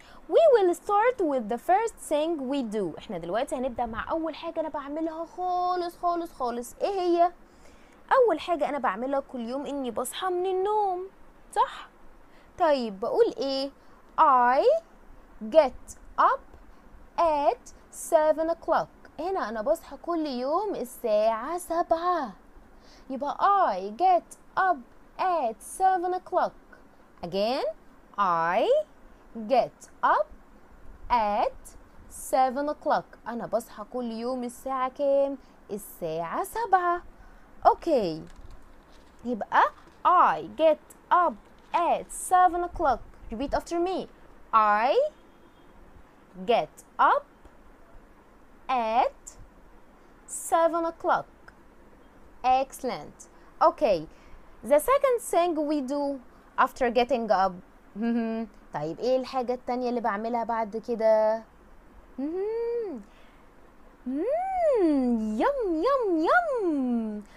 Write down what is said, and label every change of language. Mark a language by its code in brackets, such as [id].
[en] We will start with the first thing we do. [ar] إحنا دلوقتي هنبدأ مع أول حاجة أنا بعملها خالص خالص خالص. إيه هي؟ أول حاجة أنا بعملها كل يوم إني بصحى من النوم، صح؟ طيب بقول إيه؟ [en] I get up at 7 o'clock. [ar] هنا أنا بصحى كل يوم الساعة 7. يبقى [en] I get up at 7 o'clock. Again, I get up at 7 o'clock. [ar] أنا بصحى كل يوم الساعة كام؟ الساعة 7. [en] Okay, [ar] يبقى [en] I get up at 7 o'clock. Repeat after me. I get up at 7 o'clock. Excellent. Okay, the second thing we do after getting up. [ar] طيب ايه الحاجة التانية اللي بعملها بعد كده؟ يم يم يم.